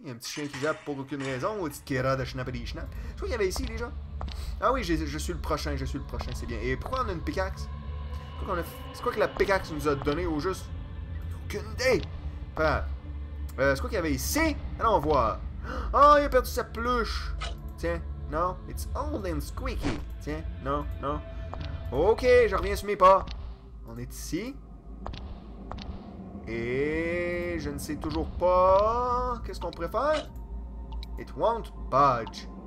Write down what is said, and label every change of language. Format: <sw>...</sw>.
<fr>Il y a un petit chien qui jappe pour aucune raison. Maudit kira de schnappadishnapp. Tu vois, il y avait ici, déjà. Ah oui, je suis le prochain, c'est bien. Et pourquoi on a une pickaxe? C'est quoi que la pickaxe nous a donné au juste? Aucune idée! C'est quoi qu'il y avait ici? Allons voir. Oh, il a perdu sa peluche! Tiens, non,</fr> <en>it's old and squeaky.</en> <fr>Tiens, non. Ok, je reviens sur mes pas. On est ici. Et je ne sais toujours pas... Qu'est-ce qu'on préfère?</fr> <en>It won't budge.</en>